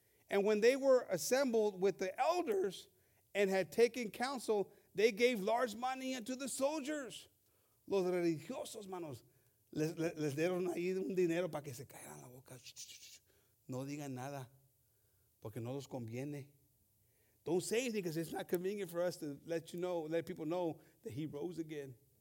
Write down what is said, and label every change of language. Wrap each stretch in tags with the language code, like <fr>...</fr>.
<en>And when they were assembled with the elders and had taken counsel, they gave large money unto the soldiers.</en> <es>Los religiosos, manos, les dieron ahí un dinero para que se callaran la boca. No digan nada, porque no los conviene.</es> <en>Don't say anything, because it's not convenient for us to let people know that he rose again.</en>